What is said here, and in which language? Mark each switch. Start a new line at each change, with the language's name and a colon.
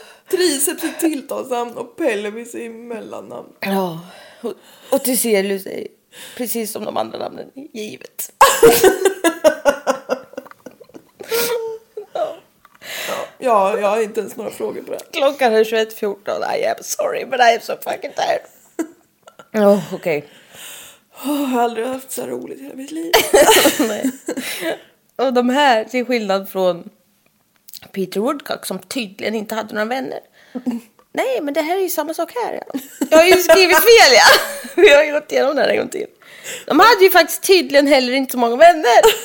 Swedish: Triceps är tilltalsnamn och pelvis är mellannamn. Ja, och till Celius är Precis som de andra namnen, givet. Ja, jag har inte ens några frågor på det. Klockan är 21:14.
English: I am sorry, but I am so fucking tired.
Swedish: Oh, okej.
English: Okay.
Swedish: Oh, jag har aldrig haft så roligt i hela mitt liv. Nej. Och de här, till skillnad från Peter Woodcock, som tydligen inte hade några vänner. Nej, men det här är ju samma sak här. Ja. Jag har ju skrivit fel, ja. Vi har ju gått igenom det här en gång till. De hade ju faktiskt tydligen heller inte så många vänner.